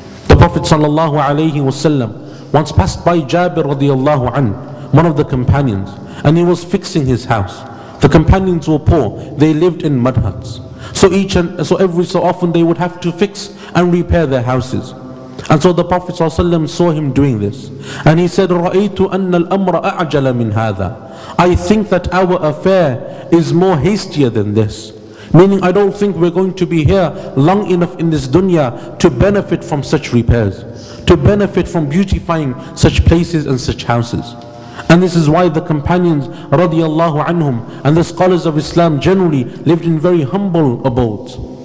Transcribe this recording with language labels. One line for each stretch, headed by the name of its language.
English: The Prophet sallallahu alayhi wasallam once passed by Jabir radiallahu anhu, one of the companions, and he was fixing his house. The companions were poor, they lived in mud huts. So every so often they would have to fix and repair their houses. And so the Prophet ﷺ saw him doing this. And he said,
Arabic: رَأَيْتُ أَنَّ الْأَمْرَ أَعْجَلَ مِنْ هَذَا.
English: I think that our affair is more hastier than this. Meaning, I don't think we're going to be here long enough in this dunya to benefit from such repairs, to benefit from beautifying such places and such houses. And this is why the companions radiallahu anhum and the scholars of Islam generally lived in very humble abodes.